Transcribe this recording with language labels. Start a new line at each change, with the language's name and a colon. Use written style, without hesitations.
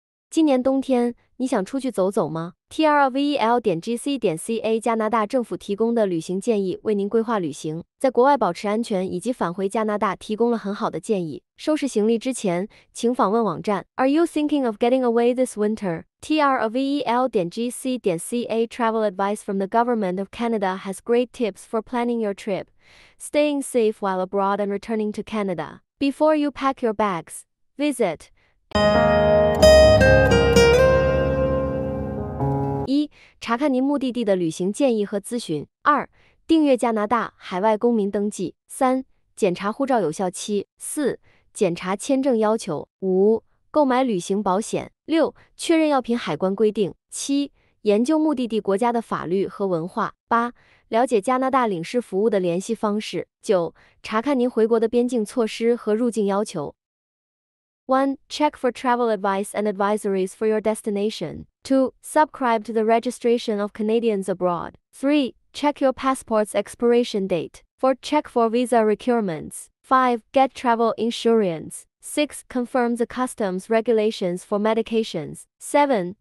Chinese: 今年冬天，你想出去走走吗？travel.gc.ca 加拿大政府提供的旅行建议，为您规划旅行，在国外保持安全以及返回加拿大提供了很好的建议。收拾行李之前，请访问网站。
English: Are you thinking of getting away this winter? travel.gc.ca travel advice from the Government of Canada has great tips for planning your trip, staying safe while abroad and returning to Canada. Before you pack your bags, visit.
Chinese: 一、查看您目的地的旅行建议和咨询。二、订阅加拿大海外公民登记。三、检查护照有效期。四、检查签证要求。五、购买旅行保险。六、确认药品海关规定。七、研究目的地国家的法律和文化。八、了解加拿大领事服务的联系方式。九、查看您回国的边境措施和入境要求。
English: 1. Check for travel advice and advisories for your destination. 2. Subscribe to the registration of Canadians abroad. 3. Check your passport's expiration date. 4. Check for visa requirements. 5. Get travel insurance. 6. Confirm the customs regulations for medications. 7.